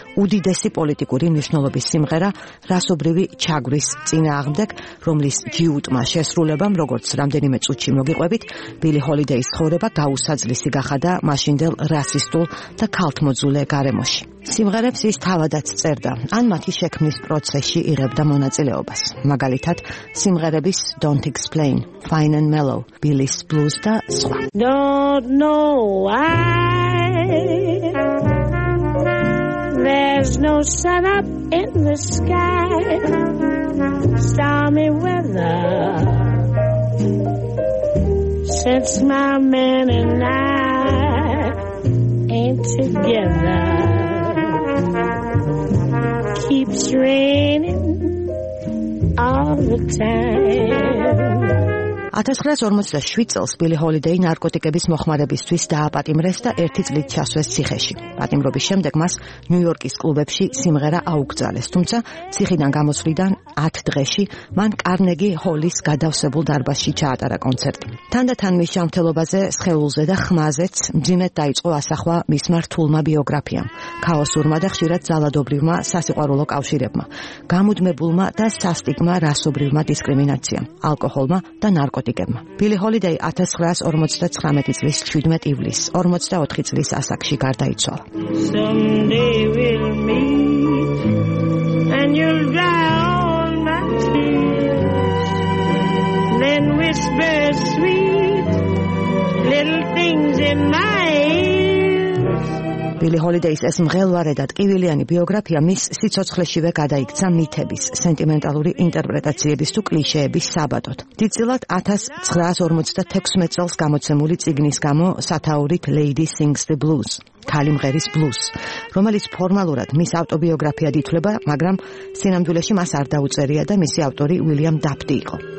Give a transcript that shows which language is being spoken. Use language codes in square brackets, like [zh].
[ka] უდიდესი პოლიტიკური მნიშვნელობის სიმღერა რასობრივი ჩაგვრის წინააღმდეგ, რომლის ჯიუტმა შესრულებამ, როგორც რამდენიმე წუთში მოგიყვებით, ბილი ჰოლიდეის ცხოვრება გაუსაძლისი გახადა მაშინდელ რასისტულ და ქალთმოძულე გარემოში. სიმღერებს ის თავადაც წერდა, ან მათი შექმნის პროცესში იღებდა მონაწილეობას. მაგალითად, სიმღერების Don't Explain, Fine and Mellow, Billy's Blues და სხვა. [en] Don't know why there's no sun up in the sky, stormy weather since my man and I ain't together. Keeps raining all the time. [ka] 1947 წელს ბილი ჰოლიდეი ნარკოტიკების მოხმარებისთვის დააპატიმრეს და ერთი წლით ჩასვეს ციხეში. პატიმრობის შემდეგ მას ნიუ-იორკის კლუბებში სიმღერა აუკრძალეს, თუმცა ციხიდან გამოსვლიდან 10 დღეში მან კარნეგი ჰოლის გადავსებულ დარბაზში ჩაატარა კონცერტი. თანდათან მის ჯანმრთელობაზე, სხეულზე და ხმაზეც მძიმედ დაიწყო ასახვა მისმა რთულმა ბიოგრაფიამ, ქაოსურმა და ხშირად ძალადობრივმა სასიყვარულო კავშირებმა, გამუდმებულმა და სასტიგმა რასობრივმა დისკრიმინაციამ, ალკოჰოლმა და ნარკოტიკებმა. ბილი ჰოლიდეი 1959 წლის 17 ივლისს 44 წლის ასაკში გარდაიცვალა. [en] Someday we'll meet and you'll dry all my tears, then whisper sweet little things in my ears. [ka] ბილი ჰოლიდეის ეს მღელვარე და ტკივილიანი ბიოგრაფია მის სიცოცხლეშივე გადაიქცა მითების, სენტიმენტალური ინტერპრეტაციების თუ კლიშეების საბადოთ. დიდწილად 1956 წელს გამოცემული წიგნის გამო სათაურით Lady Sings the Blues, ქალი მღერის ბლუზს, რომელიც ფორმალურად მის ავტობიოგრაფიად ითვლება, მაგრამ სინამდვილეში მას არ დაუწერია და მისი ავტორი უილიამ დაფტი იყო.